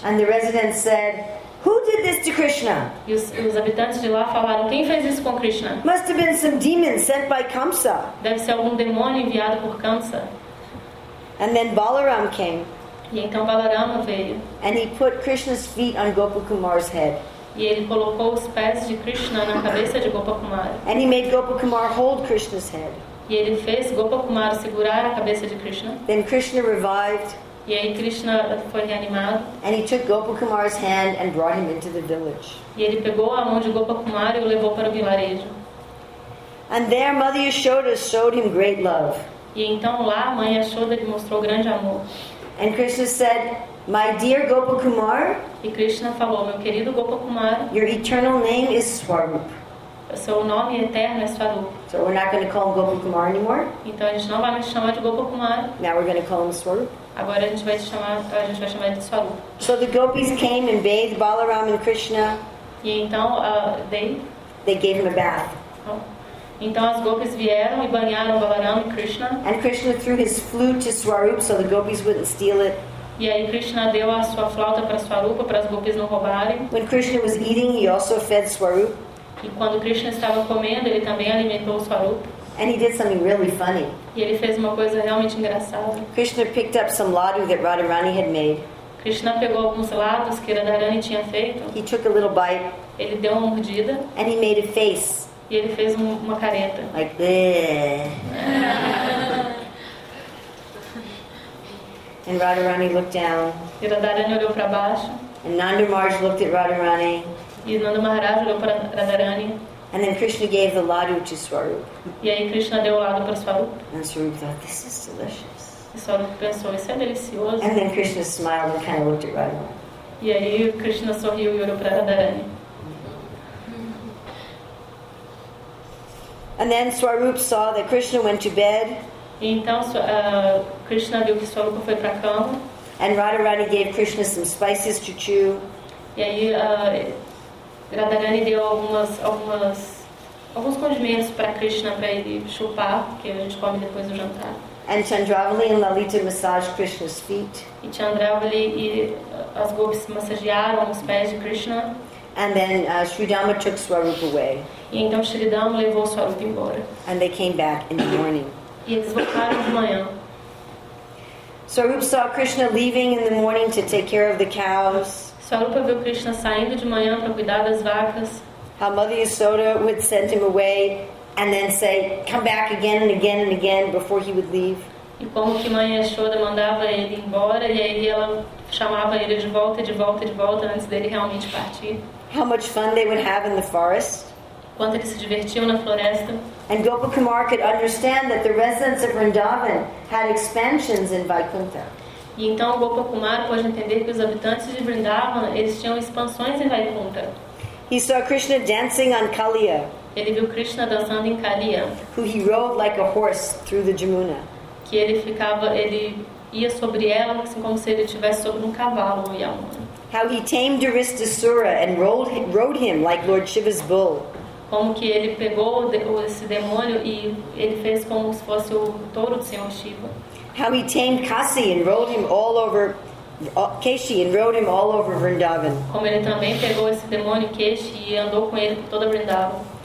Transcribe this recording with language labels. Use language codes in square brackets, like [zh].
[en] And the residents said, "Who did this to Krishna?" [pt] E os habitantes de lá falaram, "Quem fez isso com Krishna?" [en] "Must have been some demon sent by Kamsa." [pt] Deve ser algum demônio enviado por Kamsa. [en] And then Balaram came. [pt] E então Balarama veio. [en] And he put Krishna's feet on Gopakumar's head. [pt] E ele colocou os pés de Krishna na cabeça de Gopakumar. [en] And he made Gopakumar hold Krishna's head. [pt] E ele fez Gopakumar segurar a cabeça de Krishna. [en] Then Krishna revived. [pt] E aí Krishna foi reanimado. [en] And he took Gopakumar's hand and brought him into the village. [pt] E ele pegou a mão de Gopakumar e o levou para o vilarejo. [en] And there Mother Yashoda showed him great love. [pt] E então lá a mãe Yashoda lhe mostrou grande amor. [en] And Krishna said, "My dear Gopakumar," [pt] e Krishna falou, "meu querido Gopakumar, [en] your eternal name is Swarup." [pt] Seu nome eterno é Swarup. [en] So we're not going to call him Gopakumar anymore. [pt] Então a gente não vai mais chamar de Gopakumar. [en] Now we're going to call him Swarup. [pt] Agora a gente vai chamar ele de Swarup. [en] So the gopis came and bathed Balaram and Krishna. [pt] E então [en] they gave him a bath. [pt] Então as gopis vieram e banharam Balaram e Krishna. [en] And Krishna threw his flute to Swarup so the gopis wouldn't steal it. [pt] E aí Krishna deu a sua flauta para Swarup para as gopis não roubarem. [en] When Krishna was eating, he also fed Swarup. [pt] E quando Krishna estava comendo, ele também alimentou Swarup. [en] And he did something really funny. [pt] E ele fez uma coisa realmente engraçada. [en] Krishna picked up some laddu that Radharani had made. [pt] Krishna pegou alguns laddus que Radharani tinha feito. [en] He took a little bite. [pt] Ele deu uma mordida. [en] And he made a face. [pt] E ele fez uma careta. [en] Like bleh. And Radharani looked down. [pt] E Radharani olhou para baixo. [en] And Nanda Maharaj looked at Radharani. [pt] E Nanda Maharaj olhou para Radharani. [en] And then Krishna gave the laddu to Swarup. [pt] E aí Krishna deu o laddu para Swarup. [en] And Swarup thought, "This is delicious." [pt] E Swarup pensou, "Isso é delicioso." [en] And then Krishna smiled and kind of looked at Radharani. [pt] E aí Krishna sorriu e olhou para Radharani. [en] And then Swarup saw that Krishna went to bed. [pt] E então Krishna viu que Swarup foi para a cama. [en] And Radharani gave Krishna some spices to chew. [pt] E aí Radharani deu alguns condimentos para Krishna para ele chupar, que a gente come depois do jantar. [en] And Chandravali and Lalita massaged Krishna's feet. [pt] E Chandravali e as gopis massagearam os pés de Krishna. [en] And then Shridama took Swarup away. [pt] E então Shridama levou Swarup embora. [en] And they came back in the morning. [pt] E eles voltaram de manhã. [en] Swarup saw Krishna leaving in the morning to take care of the cows. [pt] Swarup viu Krishna saindo de manhã para cuidar das vacas. [en] How Mother Yashoda would send him away and then say, "Come back again and again and again," before he would leave. [pt] E como que Mãe Yashoda mandava ele embora e aí ela chamava ele de volta, de volta, de volta antes dele realmente partir. [en] How much fun they would have in the forest. [pt] Quanto eles se divertiam na floresta. [en] And Gopakumar could understand that the residents of Vrindavan had expansions in Vaikuntha. [pt] E então Gopakumar pôde entender que os habitantes de Vrindavan eles tinham expansões em Vaikuntha. [en] He saw Krishna dancing on Kaliya. [pt] Ele viu Krishna dançando em Kaliya. [en] Who he rode like a horse through the Jamuna. [pt] Que ele ia sobre ela assim como se ele estivesse sobre um cavalo, no Yamuna. [en] How he tamed Aristasura and rode him like Lord Shiva's bull. [pt] Como que ele pegou esse demônio e ele fez como se fosse o touro do Senhor Shiva. [en] How he tamed Kasi and rode him all over Keshi and rode him all over Vrindavan. [pt] Como ele também pegou esse demônio Keshi e andou com ele por toda Vrindavan.